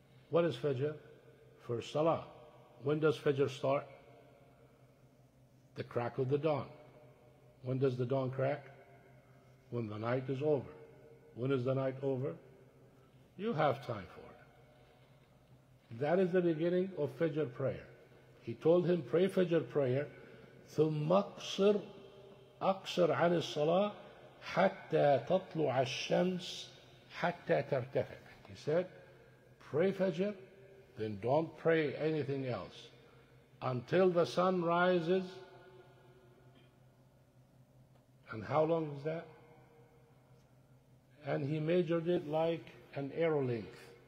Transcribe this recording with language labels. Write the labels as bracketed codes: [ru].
[en] What is Fajr? First salah. When does Fajr start? The crack of the dawn. When does the dawn crack? When the night is over. When is the night over? You have time for it. That is the beginning of Fajr prayer. He told him, pray Fajr prayer. [ar] ثُمَّ اقصر اقصر عن الصلاة حتى تطلع الشمس حتى ترتفع. [en] He said, pray Fajr, then don't pray anything else. Until the sun rises. And how long is that? And he measured it like an arrow length.